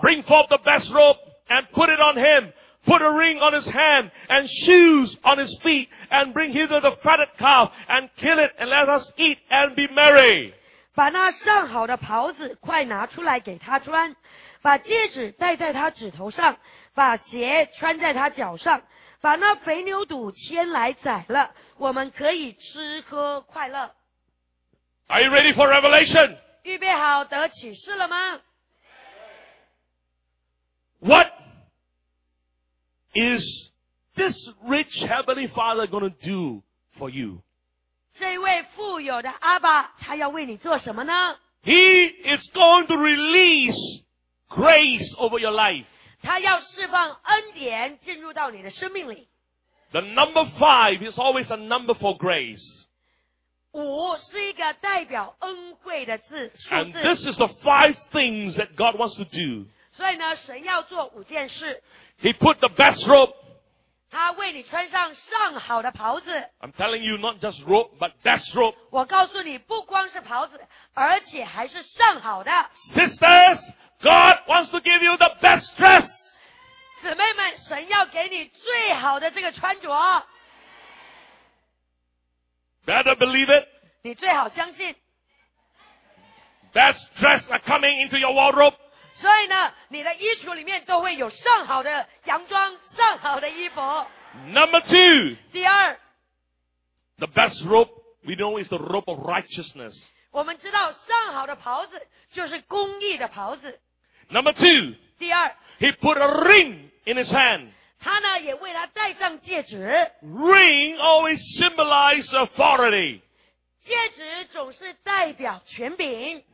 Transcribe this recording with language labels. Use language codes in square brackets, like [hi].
[en] bring forth the best robe and put it on him. Put a ring on his hand and shoes on his feet and bring hither the fatted calf and kill it and let us eat and be merry. [zh] 把那上好的袍子快拿出来给他穿, 把戒指戴在他指头上, 把鞋穿在他脚上, 把那肥牛肚牵来宰了, 我们可以吃喝快乐. [en] Are you ready for revelation? [zh] 预备好得启示了吗? [en] What is this rich heavenly father going to do for you? [zh] 这位富有的阿爸, 他要为你做什么呢? [en] He is going to release grace over your life. [zh] 他要释放恩典进入到你的生命里. [en] The number 5 is always a number for grace. [zh] 5是一个代表恩惠的字, 数字. [en] And this is the 5 things that God wants to do. [zh] 所以呢, 神要做5件事. [en] He put the best robe. [zh] 他为你穿上上好的袍子. [en] I'm telling you, not just robe, but best robe. [zh] 我告诉你, 不光是袍子, 而且还是上好的. [en] Sisters, God wants to give you the best dress. [zh] 姊妹们, 神要给你最好的这个穿着。 [en] Better believe it. [zh] 你最好相信。 [en] Best dress are coming into your wardrobe. [zh] 所以呢, 你的衣橱里面都会有上好的洋装, 上好的衣服。 [en] Number 2. [zh] 第二, [en] the best robe we know is the robe of righteousness. [zh] 我们知道上好的袍子就是公义的袍子。 [en] Number 2. [zh] 第二, [en] he put a ring in his hand. [zh] 他呢也为他戴上戒指. [en] Ring always symbolizes authority. [zh] 戒指总是代表权柄.